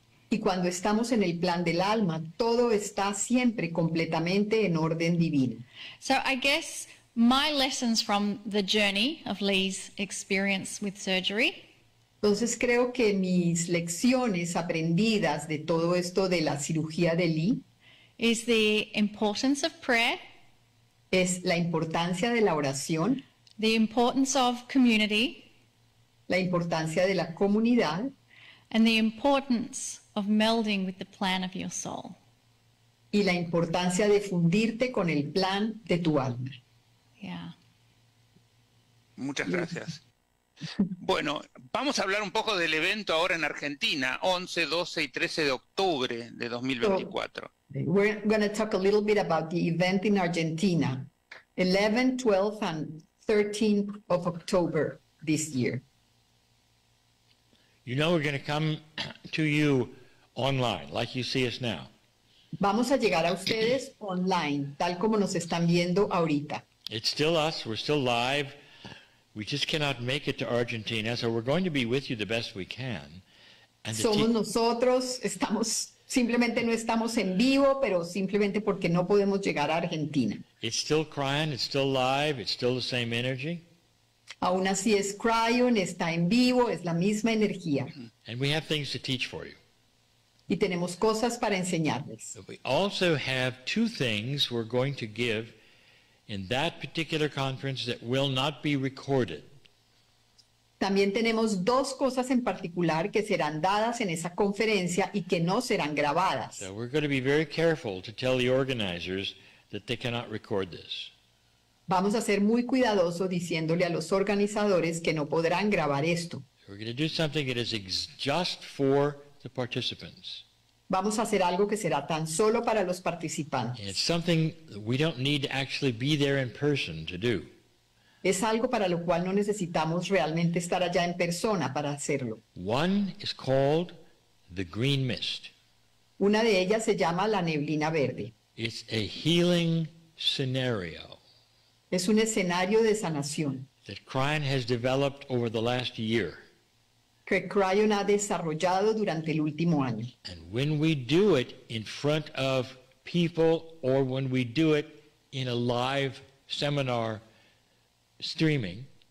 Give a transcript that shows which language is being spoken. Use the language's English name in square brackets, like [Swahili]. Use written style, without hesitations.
[Spanish] Y cuando estamos en el plan del alma, todo está siempre completamente en orden divino. [English] So I guess my lessons from the journey of Lee's experience with surgery. [Spanish] Entonces creo que mis lecciones aprendidas de todo esto de la cirugía de Lee [English] is the importance of prayer. [Spanish] Es la importancia de la oración. [English] The importance of community. [Spanish] La importancia de la comunidad. [English] And the importance of melding with the plan of your soul. [Spanish] Y la importancia de fundirte con el plan de tu alma. [English] Yeah. [Spanish] Muchas gracias. Bueno, vamos a hablar un poco del evento ahora en Argentina, 11, 12 y 13 de octubre de 2024. [English] So, we're going to talk a little bit about the event in Argentina, 11, 12 and 13th of October this year. You know we're going to come to you online, like you see us now. [Spanish] Vamos a llegar a ustedes online, tal como nos están viendo ahorita. [English] It's still us, we're still live. We just cannot make it to Argentina, so we're going to be with you the best we can. [Spanish] And somos nosotros, estamos, simplemente no estamos en vivo, pero simplemente porque no podemos llegar a Argentina. [English] It's still crying, it's still live, it's still the same energy. [Spanish] Aún así es Cryon, está en vivo, es la misma energía. [English] And we have things to teach for you. [Spanish] Y tenemos cosas para enseñarles. [English] We also have two things we're going to give in that particular conference that will not be recorded. [Spanish] También tenemos dos cosas en particular que serán dadas en esa conferencia y que no serán grabadas. [English] So we're going to be very careful to tell the organizers that they cannot record this. [Spanish] Vamos a ser muy cuidadosos diciéndole a los organizadores que no podrán grabar esto. [English] We're going to do something that is just for the participants. [Spanish] Vamos a hacer algo que será tan solo para los participantes. [English] And it's something we don't need to actually be there in person to do. [Spanish] Es algo para lo cual no necesitamos realmente estar allá en persona para hacerlo. [English] One is called the green mist. [Spanish] Una de ellas se llama la neblina verde. [English] It's a healing scenario. [Spanish] Es un escenario de sanación. [English] That Cryon has developed over the last year. [Spanish] Que Cryon ha desarrollado durante el último año. [English] And when we do it in front of people or when we do it in a live seminar streaming.